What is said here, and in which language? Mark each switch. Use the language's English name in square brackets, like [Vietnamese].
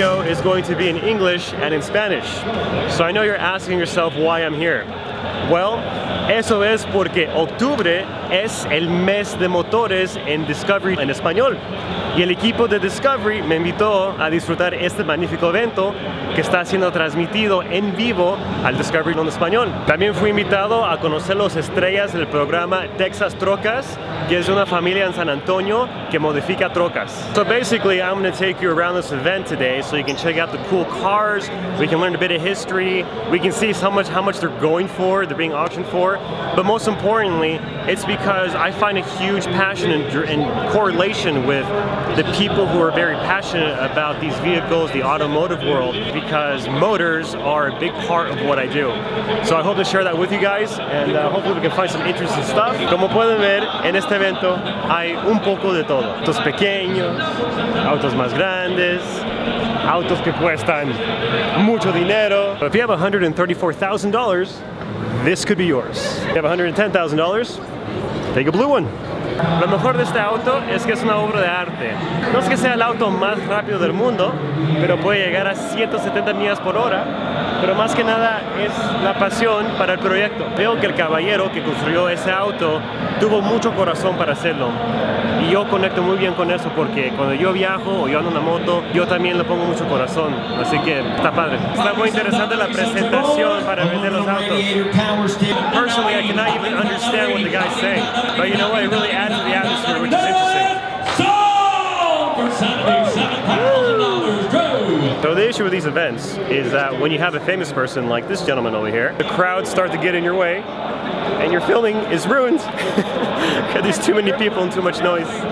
[English] Is going to be in English and in Spanish. So I know you're asking yourself why I'm here. Well, [Spanish] eso es porque octubre es el mes de motores en Discovery en Español. Y el equipo de Discovery me invitó a disfrutar este magnífico evento que está siendo transmitido en vivo al Discovery en Español. También fui invitado a conocer las estrellas del programa Texas Trocas, que es una familia en San Antonio que modifica trocas. [English] So basically, I'm going to take you around this event today so you can check out the cool cars, we can learn a bit of history, we can see how much they're going for, they're being auctioned for. But most importantly, it's because I find a huge passion and correlation with the people who are very passionate about these vehicles, the automotive world, because motors are a big part of what I do. So I hope to share that with you guys, and hopefully we can find some interesting stuff. [Spanish] Como pueden ver, en este evento hay un poco de todo. Autos pequeños, autos más grandes, autos que cuestan mucho dinero. [English] But if you have $134,000, this could be yours. If you have $110,000, take a blue one. [Spanish] Lo mejor de este auto es que es una obra de arte. No es que sea el auto más rápido del mundo, pero puede llegar a 170 millas por hora. Pero más que nada es la pasión para el proyecto. Veo que el caballero que construyó ese auto tuvo mucho corazón para hacerlo. Y yo conecto muy bien con eso porque cuando yo viajo o yo ando en la moto, yo también le pongo mucho corazón. Así que está padre. Está muy interesante la presentación para vender los autos. [English] Personally, I cannot even understand what the guy's saying. But you know what? It really adds to the atmosphere, which is interesting. So the issue with these events is that when you have a famous person like this gentleman over here, the crowds start to get in your way and your filming is ruined because there's too many people and too much noise.